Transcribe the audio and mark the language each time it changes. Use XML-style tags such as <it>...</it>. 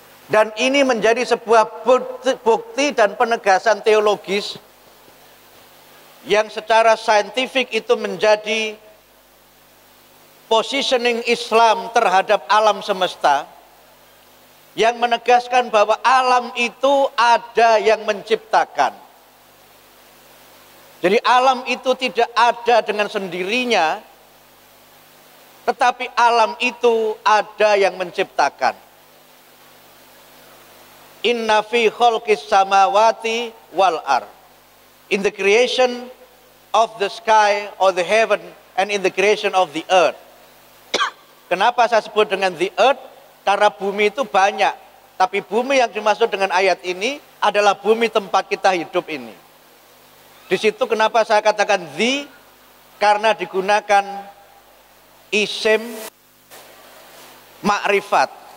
<id>Dan ini menjadi sebuah bukti dan penegasan teologis yang secara saintifik itu menjadi positioning Islam terhadap alam semesta yang menegaskan bahwa alam itu ada yang menciptakan. Jadi alam itu tidak ada dengan sendirinya, tetapi alam itu ada yang menciptakan.</id> <ar>Inna fi khalqis samawati wal ard,</ar> <en>in the creation of the sky or the heaven and in the creation of the earth.</en> <id>Kenapa saya sebut dengan the earth? Karena bumi itu banyak. Tapi bumi yang dimaksud dengan ayat ini adalah bumi tempat kita hidup ini. Di situ kenapa saya katakan the? Karena digunakan isim ma'rifat.</id>